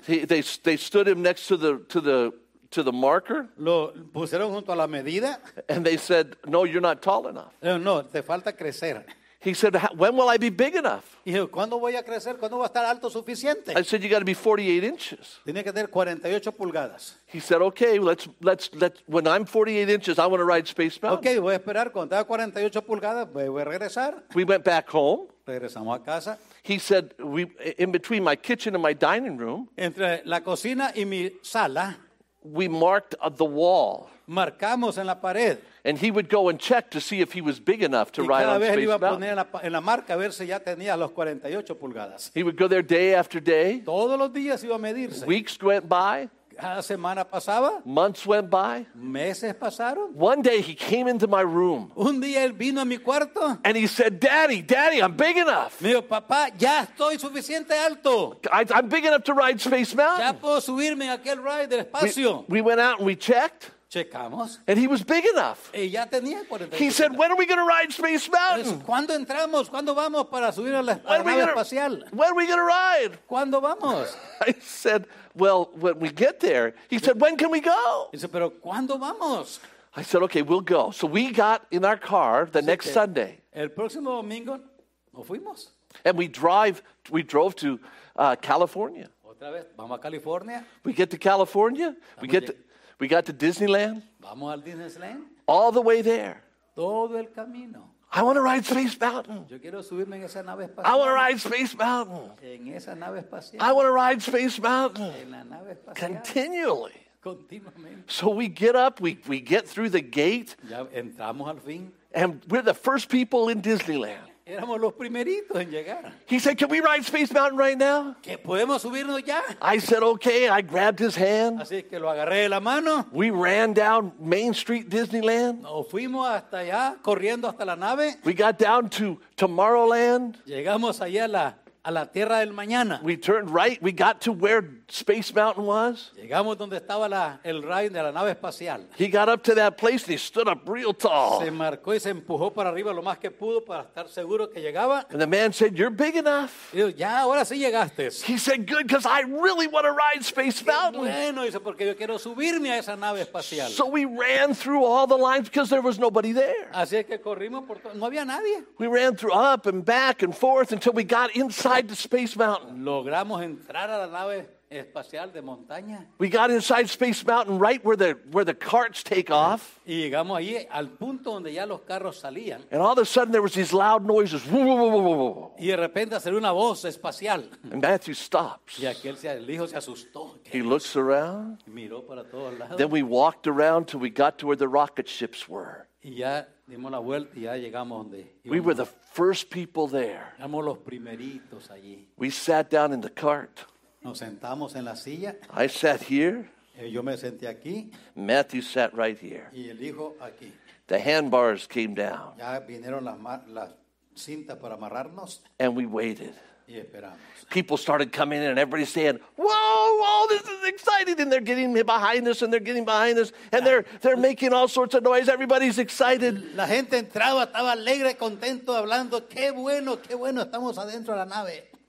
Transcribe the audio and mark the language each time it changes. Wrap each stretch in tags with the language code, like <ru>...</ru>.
<en>They stood him next to the marker.</en> <es>Lo pusieron junto a la medida.</es> <en>And they said, "No, you're not tall enough."</en> <es>No, te falta crecer.</es> <en>He said, "When will I be big enough?"</en> <es>Y dijo, "¿Cuándo voy a crecer? ¿Cuándo voy a estar alto suficiente?"</es> <en>I said, "You got to be 48 inches."</en> <es>Tiene que tener 48 pulgadas.</es> <en>He said, "Okay, let's when I'm 48 inches, I want to ride Space Mountain."</en> <es>Okay, voy a esperar cuando tenga 48 pulgadas, voy a regresar.</es> <en>We went back home.</en> <es>Regresamos a casa.</es> <en>He said, in between my kitchen and my dining room."</en> <es>Entre la cocina y mi sala.</es> <en>We marked the wall.</en> <es>Marcamos en la pared.</es> <en>And he would go and check to see if he was big enough to ride on Space Mountain.</en> <es>Y cada vez iba a poner en la marca a ver si ya tenía los 48 pulgadas.</es> <en>He would go there day after day.</en> <es>Todos los días iba a medirse.</es> <en>Weeks went by.</en> <es>Cada semana pasaba.</es> <en>Months went by.</en> <es>Meses pasaron.</es> <en>One day he came into my room.</en> <es>Un día él vino a mi cuarto.</es> <en>And he said, Daddy, I'm big enough."</en> <es>Me dijo, "Papá, ya estoy suficiente alto.</es> <en>I'm big enough to ride Space Mountain."</en> <es>Ya puedo subirme a aquel ride del espacio.</es> <en>We went out and we checked.</en> <es>Checamos.</es> <en>And he was big enough.</en> <es>Y ya tenía 48.</es> <en>He said, "When are we going to ride Space Mountain?"</en> <es>Pues, ¿cuándo entramos? ¿Cuándo vamos para subir a la nave espacial?</es> <en>"When are we going to ride?"</en> <es>¿Cuándo vamos?</es> <en>I said, "Well, when we get there." He said, "When can we go?"</en> <es>Dice, "Pero ¿cuándo vamos?"</es> <en>I said, "Okay, we'll go." So we got in our car the next Sunday.</en> <es>El próximo domingo nos fuimos.</es> <en>And we drove to California.</en> <es>Otra vez, vamos a California.</es> <en>We get to California. We got to Disneyland.</en> <es>Vamos al Disneyland.</es> <en>All the way there.</en> <es>Todo el camino.</es> <en>"I want to ride Space Mountain.</en> <es>Yo quiero subirme en esa nave espacial.</es> <en>I want to ride Space Mountain.</en> <es>En esa nave espacial.</es> <en>I want to ride Space Mountain."</en> <es>En la nave espacial.</es> <en>Continually.</en> <es>Continuamente.</es> <en>So we get up, we get through the gate.</en> <es>Ya entramos al fin.</es> <en>And we're the first people in Disneyland.</en> <es>Éramos los primeritos en llegar.</es> <en>He said, "Can we ride Space Mountain right now?"</en> <es>¿Que podemos subirnos ya?</es> <en>I said, "Okay." I grabbed his hand.</en> <es>Así que lo agarré de la mano.</es> <en>We ran down Main Street Disneyland.</en> <es>Nos fuimos hasta allá, corriendo hasta la nave.</es> <en>We got down to Tomorrowland.</en> <es>Llegamos allá a la tierra del mañana.</es> <en>We turned right. We got to where Space Mountain was.</en> <es>Llegamos donde estaba el ride de la nave espacial.</es> <en>He got up to that place and he stood up real tall.</en> <es>Se marcó y se empujó para arriba lo más que pudo para estar seguro que llegaba.</es> <en>And the man said, "You're big enough."</en> <es>Y dijo, "Ya, ahora sí llegaste."</es> <en>He said, "Good, because I really want to ride Space Mountain."</en> <es>Bueno, dice, porque yo quiero subirme a esa nave espacial.</es> <en>So we ran through all the lines because there was nobody there.</en> <es>Así es que corrimos por todo. No había nadie.</es> <en>We ran through up and back and forth until we got inside the Space Mountain.</en> <es>Logramos entrar a la nave espacial de montaña.</es> <en>We got inside Space Mountain right where the carts take off.</en> <es>Y llegamos allí al punto donde ya los carros salían.</es> <en>And all of a sudden there was these loud noises.</en> <es>Y de repente salió una voz espacial.</es> <en>And Matthew stops.</en> <es>Y aquel el hijo se asustó.</es> <en>He looks around.</en> <es>Miró para todos lados.</es> <en>Then we walked around till we got to where the rocket ships were.</en> <es>Y ya dimos la vuelta y ya llegamos donde.</es> <en>We were the first people there.</en> <es>Éramos los primeritos allí.</es> <en>We sat down in the cart.</en> <es>Nos sentamos en la silla.</es> <en>I sat here.</en> <es>Yo me senté aquí.</es> <en>Matthew sat right here.</en> <es>Y el hijo aquí.</es> <en>The handbars came down.</en> <es>Ya vinieron las cintas para amarrarnos.</es> <en>And we waited.</en> <es>Y esperamos.</es> <en>People started coming in and everybody's saying, whoa, oh, this is exciting. And they're getting behind us and they're getting behind us. And they're making all sorts of noise. Everybody's excited.</en> <es>La gente entraba, estaba alegre, contento, hablando. Qué bueno, estamos adentro de la nave.</es>